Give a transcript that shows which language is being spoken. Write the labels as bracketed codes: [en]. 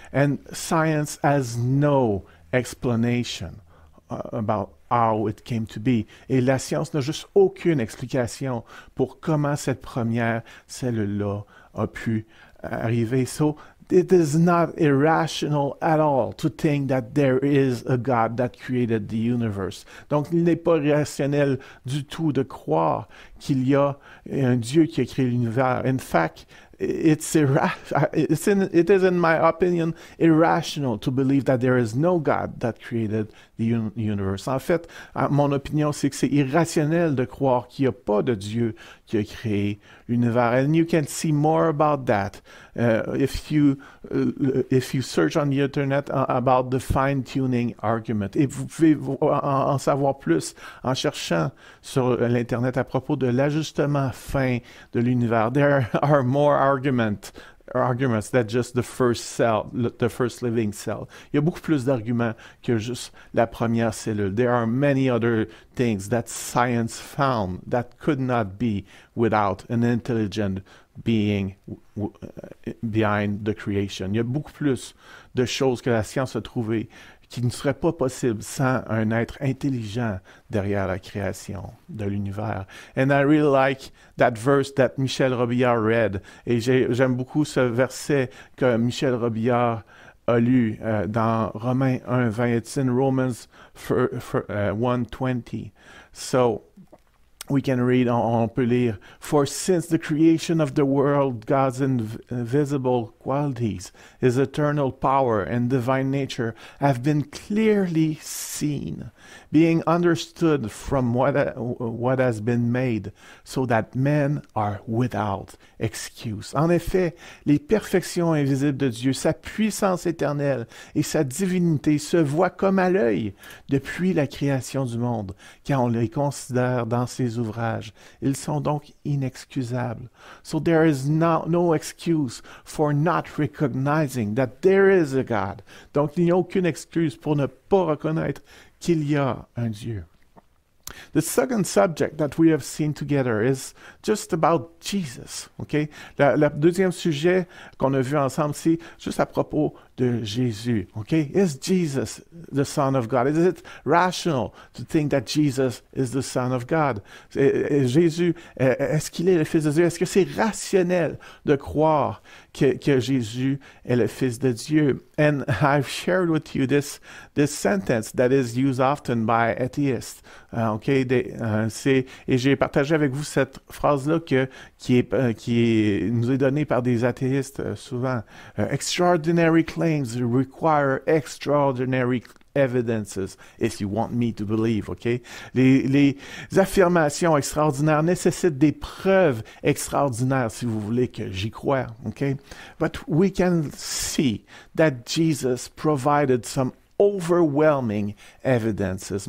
[en] And science has no explanation about how it came to be. [fr] Et la science n'a juste aucune explication pour comment cette première cellule-là a pu arriver. [en] So, it is not irrational at all to think that there is a God that created the universe. [fr] Donc, il n'est pas rationnel du tout de croire qu'il y a un Dieu qui a créé l'univers. [en] In fact, It is, in my opinion, irrational to believe that there is no God that created the universe. [fr] En fait, mon opinion, c'est que c'est irrationnel de croire qu'il n'y a pas de Dieu qui a créé l'univers. [en] And you can see more about that if you search on the internet about the fine-tuning argument. [fr] Et vous pouvez en savoir plus en cherchant sur l'internet à propos de l'ajustement fin de l'univers. [en] There are more arguments that just the first cell, the first living cell. [fr] Il y a beaucoup plus d'arguments que juste la première cellule. [en] There are many other things that science found that could not be without an intelligent being behind the creation. [fr] Il y a beaucoup plus de choses que la science a trouvées qui ne seraient pas possibles sans un être intelligent derrière la création de l'univers. [en] And I really like that verse that Michel Robillard read. [fr] Et j'aime beaucoup ce verset que Michel Robillard a lu dans Romains 1, 20. [en] It's in Romans 1, 20. So, we can read, [fr] on peut lire, [en] for since the creation of the world, God's invisible qualities, his eternal power and divine nature have been clearly seen, being understood from what has been made, so that men are without excuse. [fr] En effet, les perfections invisibles de Dieu, sa puissance éternelle et sa divinité se voient comme à l'œil depuis la création du monde, quand on les considère dans ses ouvrages. Ils sont donc inexcusables. [en] So there is no excuse for not recognizing that there is a God. [fr] Donc il n'y a aucune excuse pour ne pas reconnaître qu'il y a un Dieu. [en] The second subject that we have seen together is just about Jesus. Okay? [fr] Le deuxième sujet qu'on a vu ensemble, c'est juste à propos de Jésus. [en] Okay? Is Jesus the Son of God? Is it rational to think that Jesus is the Son of God? [fr] Jésus, est-ce qu'il est le Fils de Dieu? Est-ce que c'est rationnel de croire que Jésus est le Fils de Dieu? [en] And I've shared with you this sentence that is used often by atheists. Okay? [fr] Et j'ai partagé avec vous cette phrase-là qui nous est donnée par des athéistes souvent. [en] Extraordinary claims require extraordinary evidences if you want me to believe, okay? [fr] Les affirmations extraordinaires nécessitent des preuves extraordinaires si vous voulez que j'y croie, okay? [en] But we can see that Jesus provided some overwhelming evidences.